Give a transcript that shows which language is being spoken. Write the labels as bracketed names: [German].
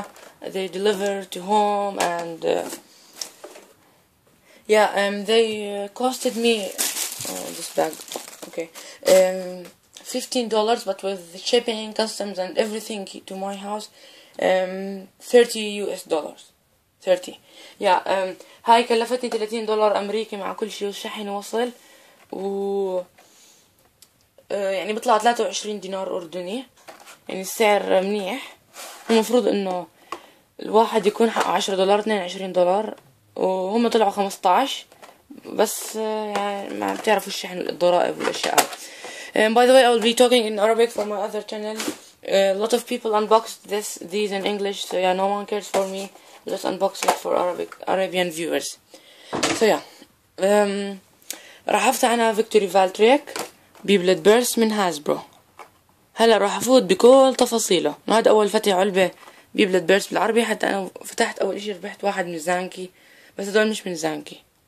[English] Yeah, they deliver to home and they costed me this bag, okay, $15, but with the shipping, customs and everything to my house, $30 US. 30. [Arabic] Yeah, هاي كلفتني $30 امريكي مع كل شيء والشحن وصل و يعني بيطلع 23 دينار اردني. يعني السعر منيح. المفروض انه الواحد يكون حقه $10 $22 وهم طلعوا 15. بس يعني ما بتعرفوا الشحن والضرائب والاشياء. [English] By the way, I will be talking in Arabic for my other channel. A lot of people unboxed these in English, so yeah, no one cares for me. Just unboxing for Arabian viewers. [Arabic] So yeah, راح افتح انا فيكتوري فالتريك بيبلد بيرس من هازبرو. هلا راح افوت بكل تفاصيله. هذا اول فتح علبه بيبلد بيرس بالعربي. حتى انا فتحت اول شيء ربحت واحد من زانكي, بس هدول مش من زانكي.